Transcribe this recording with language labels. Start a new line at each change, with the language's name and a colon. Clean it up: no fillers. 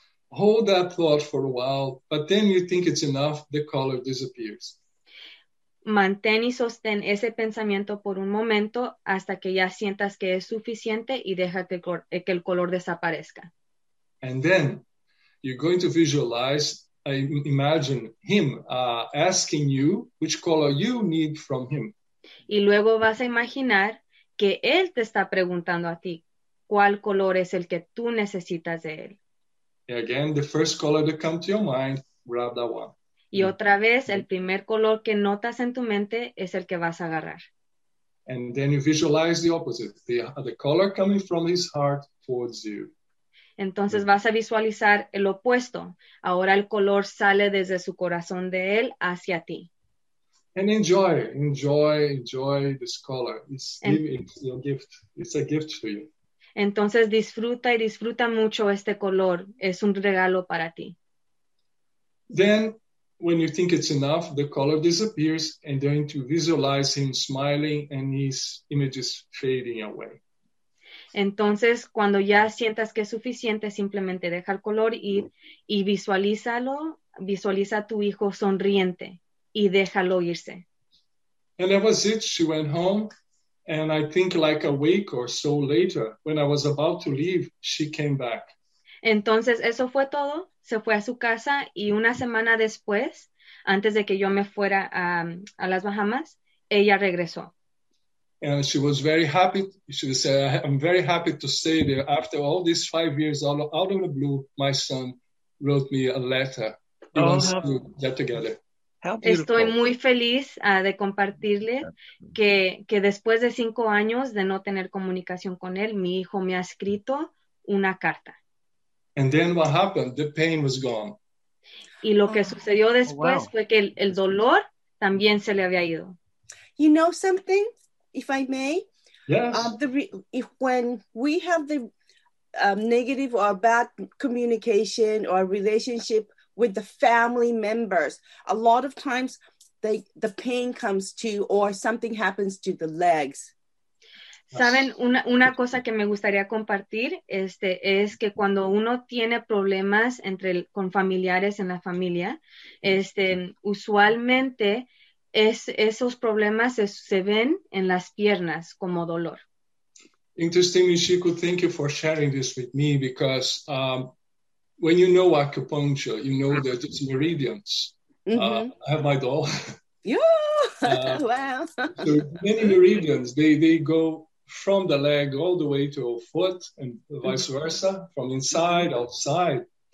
English: Hold that thought for a while, but then you think it's enough, the color disappears.
Spanish: Mantén y sostén ese pensamiento por un momento hasta que ya sientas que es suficiente y deja que el color desaparezca.
English: And then you're going to visualize, imagine him asking you which color you need from him.
Spanish: Y luego vas a imaginar que él te está preguntando a ti cuál color es el que tú necesitas de él.
English: Again, the first color that comes to your mind, grab that one.
Spanish: Y otra vez, el primer color que notas en tu mente es el que vas a agarrar.
English: And then you visualize the opposite, the color coming from his heart towards you.
Spanish: Entonces vas a visualizar el opuesto. Ahora el color sale desde su corazón de él hacia ti.
English: And enjoy this color. It's your gift. It's a gift for you.
Spanish: Entonces disfruta y disfruta mucho este color. Es un regalo para ti.
English: Then, when you think it's enough, the color disappears, and then you visualize him smiling and his images fading away.
Spanish: Entonces, cuando ya sientas que es suficiente, simplemente deja el color ir y visualiza a tu hijo sonriente y déjalo irse.
English: And that was it. She went home. And I think like a week or so later, when I was about to leave, she came back.
Spanish: Entonces, eso fue todo. Se fue a su casa y una semana después, antes de que yo me fuera a las Bahamas, ella regresó.
English: And she was very happy. She said, I'm very happy to stay there. After all these 5 years, out of the blue, my son wrote me a letter. He wants to get together.
Spanish: Estoy muy feliz de compartirle que después de 5 años de no tener comunicación con él, mi hijo me ha escrito una carta.
English: And then what happened? The pain was gone.
Spanish: Y lo que sucedió después fue que el dolor también se le había ido.
English: You know something, if I may? Yes. When we have the negative or bad communication or relationship with the family members, a lot of times the pain comes to or something happens to the legs.
Spanish: Saben, una cosa que me gustaría compartir es que cuando uno tiene problemas con familiares en la familia, usualmente esos problemas se ven en las piernas como dolor.
English: Interesting, Michiko, thank you for sharing this with me because when you know acupuncture, you know that it's meridians. Mm-hmm. I have my doll. Yeah. Wow. So many meridians, they go from the leg all the way to our foot and vice versa, from inside, outside.